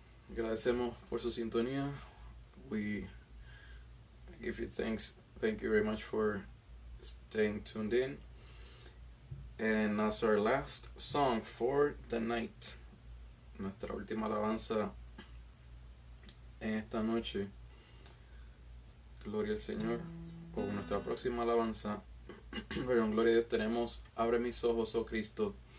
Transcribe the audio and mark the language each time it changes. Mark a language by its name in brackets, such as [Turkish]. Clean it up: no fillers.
[Spanish] Agradecemos por su sintonía. [English] We give you thanks. Thank you very much for staying tuned in. And that's our last song for the night. [Spanish] Nuestra última alabanza en esta noche. Gloria al Señor. Con nuestra próxima alabanza. Pero en gloria a Dios tenemos Abre mis ojos, oh Cristo.